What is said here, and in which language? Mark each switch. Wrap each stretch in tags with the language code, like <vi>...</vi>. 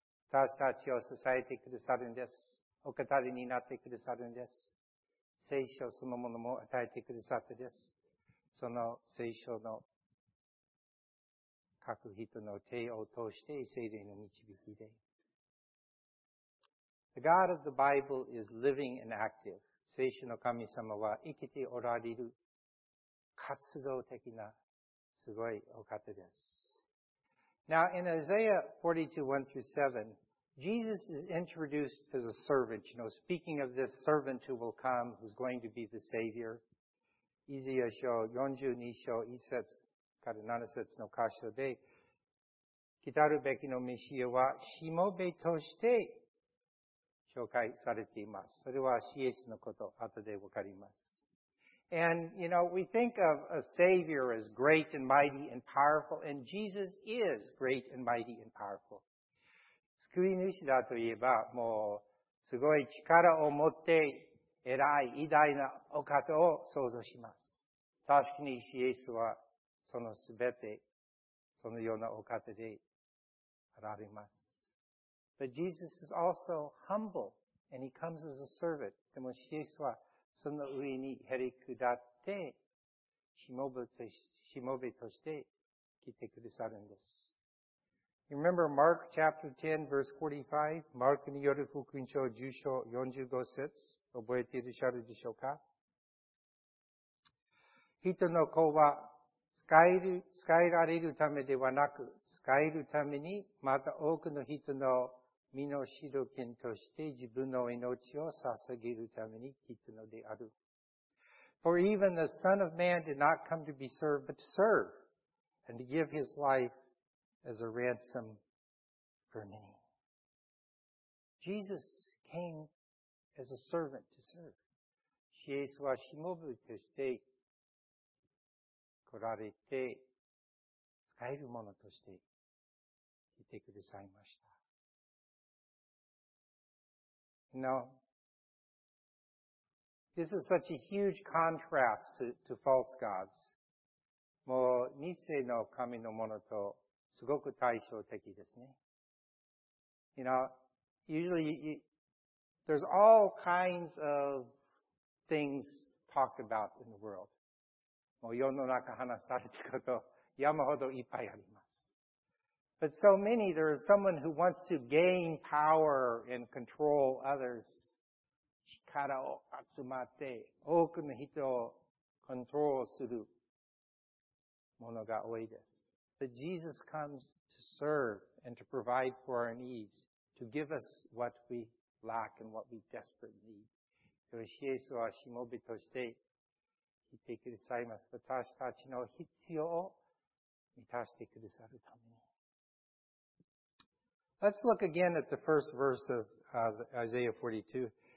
<ja>私たちを支えてくださるんです。お語りになってくださるんです。聖書そのものも与えてくださってです。その聖書の各人の手を通して聖霊の導きで。</ja> <en>The God of the Bible is living and active.</en> <ja>聖書の神様は生きておられる活動的なすごいお方です。</ja> <en>Now in Isaiah 42:1-7,Jesus is introduced as a servant, you know, speaking of this servant who will come, who's going to be the Savior.</en> <ja>イザヤ書42章1節から7節の箇所で、来たるべきのメシアはしもべとして紹介されています。それはイエスのこと、後でわかります。</ja> <en>And, you know, we think of a Savior as great and mighty and powerful, and Jesus is great and mighty and powerful.</en> <ja>救い主だといえば、もう、すごい力を持って、偉い、偉大なお方を想像します。確かに、イエスは、そのすべて、そのようなお方で、あられます。</ja> <en>But Jesus is also humble, and he comes as a servant.</en> <ja>でも、イエスは、その上に、へり下って、しもべとして、来てくださるんです。</ja> <en>You remember Mark chapter 10 verse 45?</en> <ja>マルクによる福音書10章45節覚えていらっしゃるでしょうか? 人の子は使えられるためではなく、使えるためにまた多くの人の身の代金として自分の命を捧げるために来たのである。</ja> <en>For even the Son of Man did not come to be served, but to serve, and to give his life as a ransom for many. Jesus came as a servant to serve.</en> <ja>イエスはしもべとして来られて、使えるものとして来てくださいました。</ja> <en>Now, this is such a huge contrast to false gods.</en> <ja>もう、偽の神のものとすごく対照的ですね。</ja> <en>You know, usually, there's all kinds of things talked about in the world.</en> <ja>もう世の中話されてること、山ほどいっぱいあります。</ja> <en>But so many, there is someone who wants to gain power and control others.</en> <ja>力を集まって多くの人をコントロールするものが多いです。</ja> <en>But Jesus comes to serve and to provide for our needs, to give us what we lack and what we desperately need.</en> <ja>よし、イエスはしもべとして来てくださいます。私たちの必要を満たしてくださるために。</ja> <en>Let's look again at the first verse of Isaiah 42.</en>